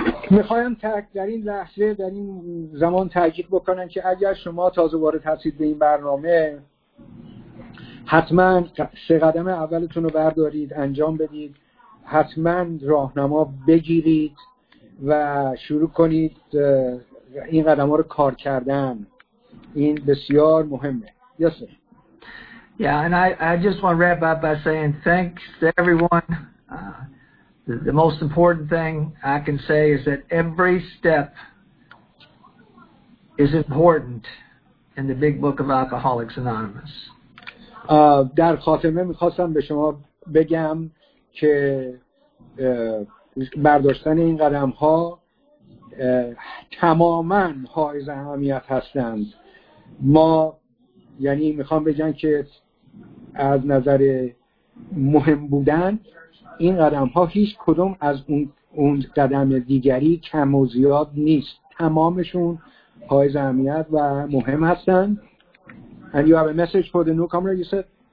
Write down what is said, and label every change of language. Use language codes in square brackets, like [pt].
[fa] میخوام در این لحظه در این زمان تاکید بکنم که اگر شما تازه وارد هستید به این برنامه حتما 3 قدم اولتون رو بردارید انجام بدید، حتما راهنما بگیرید و شروع کنید این قدم‌ها رو کار کردن. این بسیار مهمه. [en] Yes, sir. Yeah, and I just want to wrap up by saying thanks to everyone. The most important thing I can say is that every step is important in the big book of Alcoholics Anonymous. [fa] در خاتمه می‌خواستم به شما بگم که برداشتن این قدم ها تماما حائز اهمیت هستند. ما یعنی میخوام بگم که از نظر مهم بودن این قدم ها هیچ کدوم از اون قدم دیگری کم و زیاد نیست، تمامشون حائز اهمیت و مهم هستند. [en] And you have a message for the newcomer, you said?